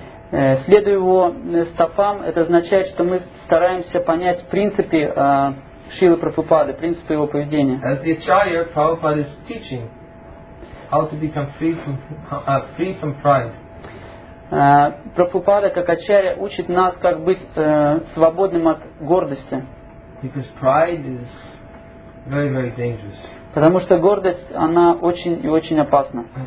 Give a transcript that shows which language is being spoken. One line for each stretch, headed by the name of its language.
Russian: Следуя его стопам, это означает, что мы стараемся понять в принципе Шрилы Прабхупады, принципы его поведения.
English: As the Acharya, Prabhupada is teaching how to become free from pride.
Russian: Прабхупада, как Ачарья, учит нас, как быть свободным от гордости.
English: Because pride is very, very dangerous.
Russian: Потому что гордость, она очень и очень опасна.